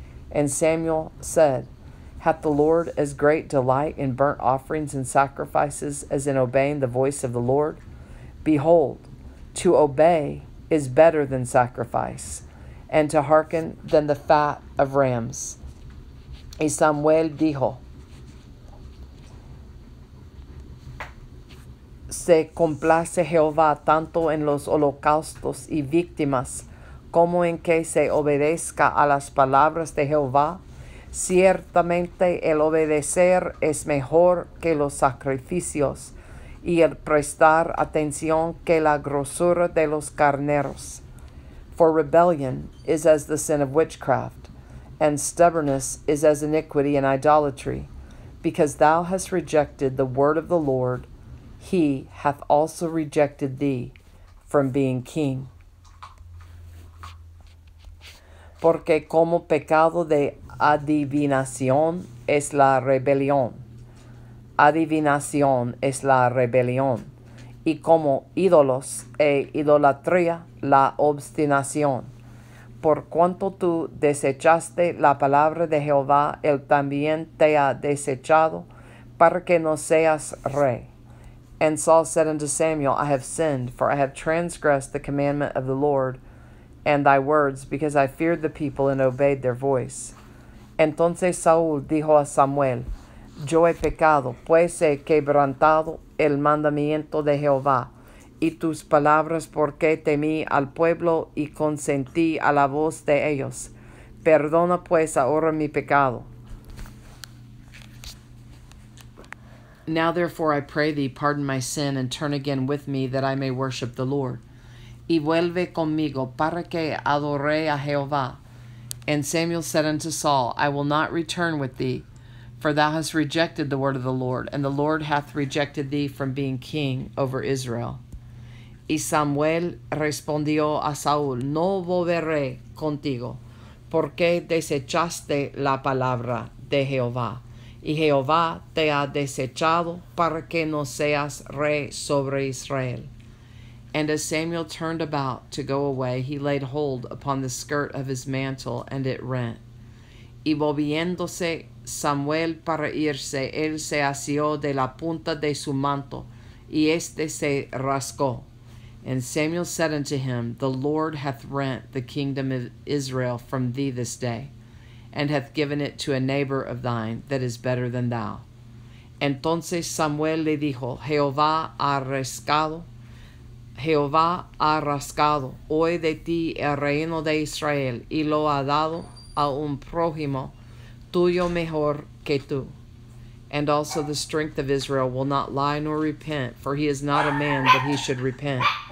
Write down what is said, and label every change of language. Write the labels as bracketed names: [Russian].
[English] And Samuel said, Hath the Lord as great delight in burnt offerings and sacrifices as in obeying the voice of the Lord? Behold, to obey is better than sacrifice, and to hearken than the fat of rams. [Spanish] Y Samuel dijo, Se complace Jehová tanto en los holocaustos y víctimas como en que se obedezca a las palabras de Jehová. Ciertamente el obedecer es mejor que los sacrificios y el prestar atención que la grosura de los carneros. [English] For rebellion is as the sin of witchcraft, and stubbornness is as iniquity and idolatry, because thou hast rejected the word of the Lord, He hath also rejected thee from being king. [Spanish] Porque como pecado de adivinación es la rebelión. Adivinación es la rebelión. Y como ídolos e idolatría la obstinación. Por cuanto tú desechaste la palabra de Jehová, él también te ha desechado para que no seas rey. [English] And Saul said unto Samuel, I have sinned, for I have transgressed the commandment of the Lord, and thy words, because I feared the people and obeyed their voice. [Spanish] Entonces Saúl dijo a Samuel, yo he pecado, pues he quebrantado el mandamiento de Jehová y tus palabras, porque temí al pueblo y consentí a la voz de ellos. Perdona pues ahora mi pecado. [English] Now therefore I pray thee, pardon my sin, and turn again with me, that I may worship the Lord. [Spanish] Y vuelve conmigo, para que adore a Jehová. [English] And Samuel said unto Saul, I will not return with thee, for thou hast rejected the word of the Lord, and the Lord hath rejected thee from being king over Israel. [Spanish] Y Samuel respondió a Saúl, no volveré contigo, porque desechaste la palabra de Jehová. Y Jehová te ha desechado para que no seas rey sobre Israel. [English] And as Samuel turned about to go away, he laid hold upon the skirt of his mantle, and it rent. [Spanish] Y volviéndose Samuel para irse, él se asió de la punta de su manto, y este se rascó. [English] And Samuel said unto him, the Lord hath rent the kingdom of Israel from thee this day, and hath given it to a neighbor of thine that is better than thou. [Spanish] Entonces Samuel le dijo, Jehová ha rascado hoy de ti el reino de Israel, y lo ha dado a un prójimo tuyo mejor que tú. [English] And also the strength of Israel will not lie nor repent, for he is not a man that he should repent.